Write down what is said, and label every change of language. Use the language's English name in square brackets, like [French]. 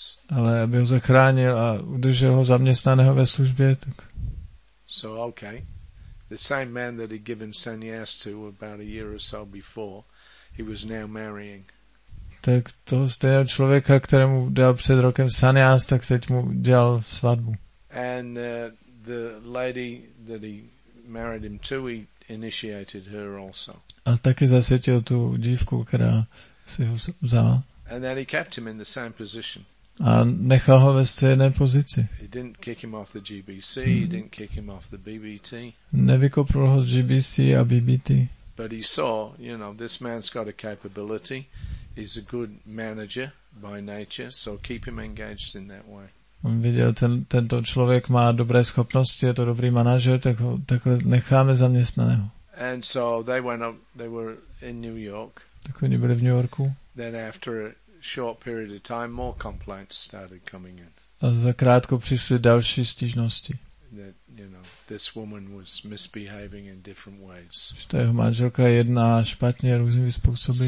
[Czech] Ale aby ho zachránil a udržel ho zaměstnaného ve službě, tak. [English] So okay. The same man that he'd given sannyas to about a year or so before, he was now marrying. [Czech] Tak toho stejného člověka, kterému dal před rokem sannyas, tak teď mu dělal svatbu. [English] And the lady that he married him to, he initiated her also. [Czech] A taky zasvětil tu dívku, která si ho vzala. [English] And then he kept him in the same position. [Czech] A nechal ho ve stejné pozici. [English] He didn't kick him off the GBC, he didn't kick him off the BBT. [Czech] Nevykopl ho z GBC a BBT. [English] But he saw, you know, this man's got a capability, he's a good manager by nature, so keep him engaged in that way. [Czech] On viděl, tento člověk má dobré schopnosti, je to dobrý manažer, tak ho takhle necháme zaměstnaného. [English] And so they went up, they were in New York. [Czech] Tak oni byli v New Yorku. [English] Then after a short period of time, more complaints started coming in. [Czech] A za krátko přišly další stížnosti. [English] That, you know, this woman was misbehaving in different ways. [Czech] Že ta jeho manželka jedná špatně různými způsoby.